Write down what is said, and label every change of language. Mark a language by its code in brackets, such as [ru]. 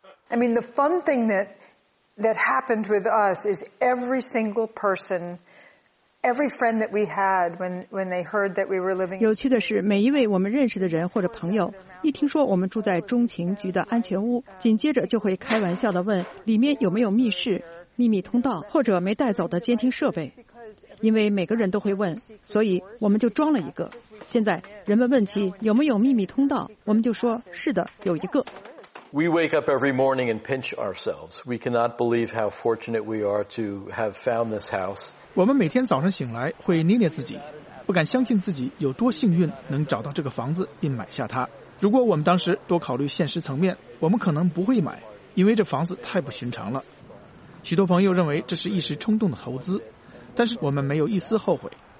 [en] I mean the fun thing that happened with us is every single person, every friend that we had when they heard that we were living. [zh] 有趣的是，每一位我们认识的人或者朋友，一听说我们住在中情局的安全屋，紧接着就会开玩笑的问里面有没有密室、秘密通道或者没带走的监听设备。因为每个人都会问，所以我们就装了一个。现在人们问起有没有秘密通道，我们就说是的，有一个。 [en] We wake up every morning and pinch ourselves. We cannot believe how fortunate we are to have found this house. [zh] 我们每天早上醒来会捏捏自己，不敢相信自己有多幸运能找到这个房子并买下它。如果我们当时多考虑现实层面，我们可能不会买，因为这房子太不寻常了。许多朋友认为这是一时冲动的投资，但是我们没有一丝后悔。